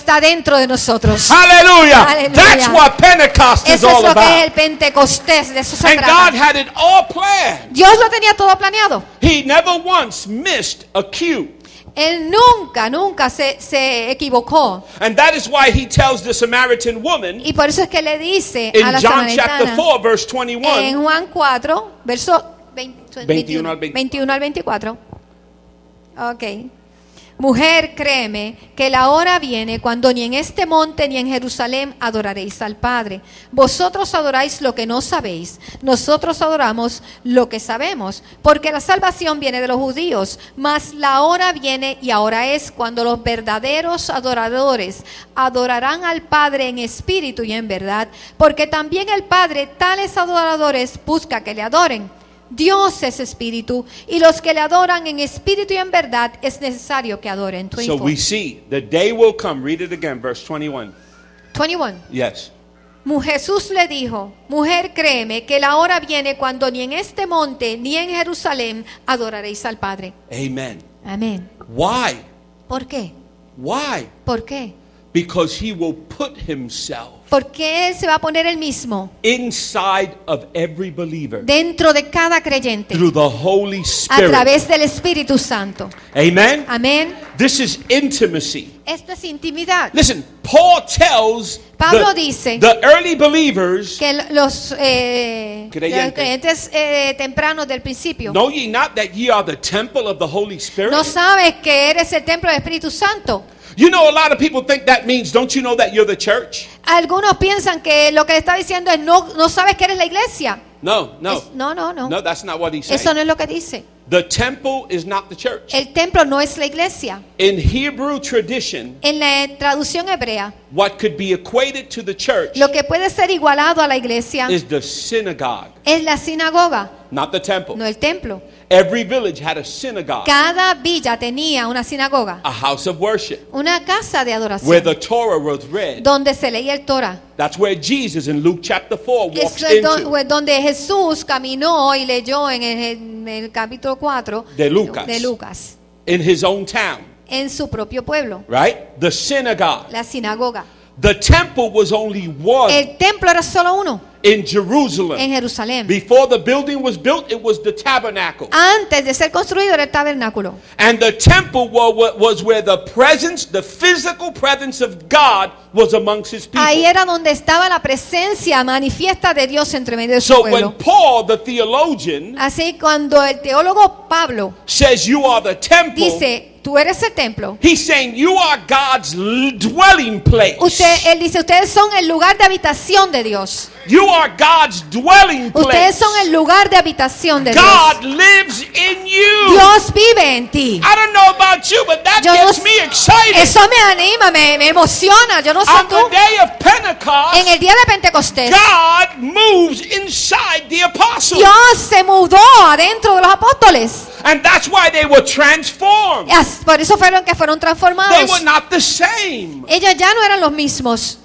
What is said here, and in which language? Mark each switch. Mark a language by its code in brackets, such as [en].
[es] Está dentro de nosotros. [en] Hallelujah. Hallelujah. That's what Pentecost [es] eso [en] is all about. [es] Eso es lo que es el Pentecostés. De eso se [en] and [es] trata. [en] God had it all planned. [es] Dios lo tenía todo planeado. [en] He never once missed a cue. [es] Él nunca se equivocó. [en] And that is why he tells the Samaritan woman. [es] Y por eso es que le dice a la samaritana. [en] In John chapter 4 verse 21. [es] En Juan 4 verso 21 al 24. Okay. Mujer, créeme que la hora viene cuando ni en este monte ni en Jerusalén adoraréis al Padre. Vosotros adoráis lo que no sabéis, nosotros adoramos lo que sabemos, porque la salvación viene de los judíos, mas la hora viene y ahora es cuando los verdaderos adoradores adorarán al Padre en espíritu y en verdad, porque también el Padre tales adoradores busca que le adoren. Dios es espíritu y los que le adoran en espíritu y en verdad es necesario que adoren. 24. [en] So we see the day will come. Read it again, verse 21. 21. Yes. [es] Jesús le dijo, mujer, créeme que la hora viene cuando ni en este monte ni en Jerusalén adoraréis al Padre. [en] Amen. [es] Amen. [en] Why? [es] ¿Por qué? [en] Why? [es] ¿Por qué? [en] Because he will put himself. [es] Porque él se va a poner el mismo. [en] Inside of every believer. [es] Dentro de cada creyente. [en] Through the Holy Spirit. [es] A través del Espíritu Santo. [en] Amen. [es] Amen. [en] This is intimacy. [es] Esto es intimidad. [en] Listen, Paul tells [es] Pablo dice [en] the early believers [es] que los creyentes tempranos del principio. [en] Know ye not that ye are the temple of the Holy Spirit? [es] ¿No sabes que eres el templo del Espíritu Santo? [en] You know, a lot of people think that means, don't you know that you're the church? [es] Algunos piensan que lo que le está diciendo es no sabes que eres la iglesia. [en] No, no. No, that's not what he's saying. [es] Eso no es lo que dice. [en] The temple is not the church. [es] El templo no es la iglesia. [en] In Hebrew tradition, [es] en la traducción hebrea, [en] what could be equated to the church, [es] lo que puede ser igualado a la iglesia, [en] is the synagogue. [es] Es la sinagoga. [en] Not the temple. [es] No el templo. [en] Every village had a synagogue. [es] Cada villa tenía una sinagoga. [en] A house of worship. [es] Una casa de adoración. [en] Where the Torah was read. [es] Donde se leía el Torah. [en] That's where Jesus in Luke chapter 4 walks into. [es] Donde Jesús caminó y leyó en el capítulo 4 de Lucas. [en] In his own town. [es] En su propio pueblo. [en] Right? The synagogue. [es] La sinagoga. [en] The temple was only one. [es] El templo era solo uno. [en] In Jerusalem. [es] En Jerusalén. [en] Before the building was built, it was the tabernacle. [es] Antes de ser construido era el tabernáculo. [en] And the temple was where the presence, the physical presence of God was amongst his people. [es] Ahí era donde estaba la presencia manifiesta de Dios entre medio de su pueblo. [en] So when Paul, the theologian, [es] así cuando el teólogo Pablo [en] says you are the temple, [es] dice, tú eres el templo. [en] He's saying you are God's dwelling place. [es] Él dice, ustedes son el lugar de habitación de Dios. [en] You are God's dwelling place. [es] Ustedes son el lugar de habitación de Dios. [en] God lives in you. [es] Dios vive en ti. [en] I don't know about you, but that gets me excited. [es] Eso me anima, me emociona. Yo no sé on tú. [en] The day of Pentecost, [es] en el día de Pentecostés, [en] God moves inside the apostles. [es] Dios se mudó adentro de los apóstoles. [en] And that's why they were transformed. Yes, [es] por eso fueron que fueron transformados. [en] They were not the same. [es] Ellos ya no eran los mismos.